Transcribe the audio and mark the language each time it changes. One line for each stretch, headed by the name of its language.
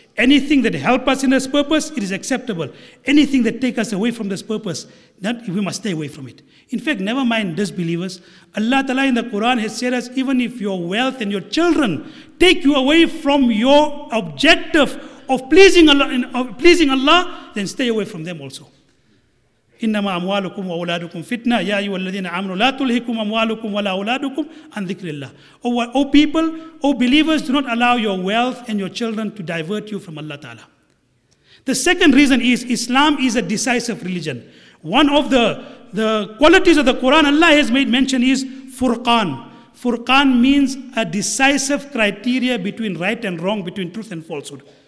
English: Anything that helps us in this purpose, it is acceptable. Anything that takes us away from this purpose, that we must stay away from it. In fact, never mind disbelievers. Allah Ta'ala in the Quran has said us, even if your wealth and your children take you away from your objective of pleasing Allah, then stay away from them also.
Arabic: إنما أموالكم وأولادكم فتنة يا أيها الذين آمنوا لا تلهكم أموالكم ولا أولادكم عن ذكر الله.
English: O people, O believers, do not allow your wealth and your children to divert you from Allah Ta'ala. The second reason is Islam is a decisive religion. One of the qualities of the Quran Allah has made mention is Furqan. Furqan means a decisive criteria between right and wrong, between truth and falsehood.